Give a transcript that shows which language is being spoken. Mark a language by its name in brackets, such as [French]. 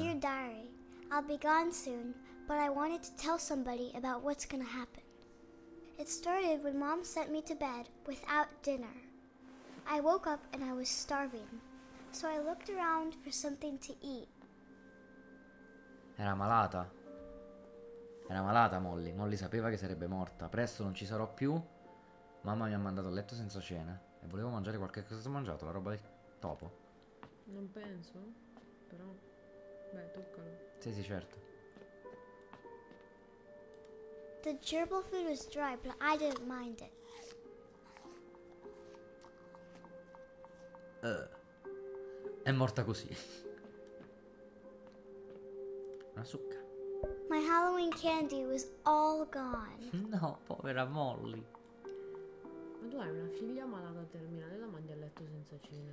[English] Dear diary, I'll be gone soon, but I wanted to tell somebody about what's gonna happen. It started when mom sent me to bed without dinner. I woke up and I was starving, so I looked around for something to eat. [Italian] Era malata. Era malata Molly. Molly sapeva che sarebbe morta. Presto non ci sarò più. Mamma mi ha mandato a letto senza cena. E volevo mangiare qualche cosa. Ho mangiato la roba del topo. Non penso, però. Beh, toccalo. Sì, sì, certo. [English] The gerbil food was dry, but I didn't mind it. [Italian] È morta così. Una succa. [English] My Halloween candy was all gone. [Italian] No, povera Molly. Ma tu hai una figlia malata terminale, la mandi a letto senza cena.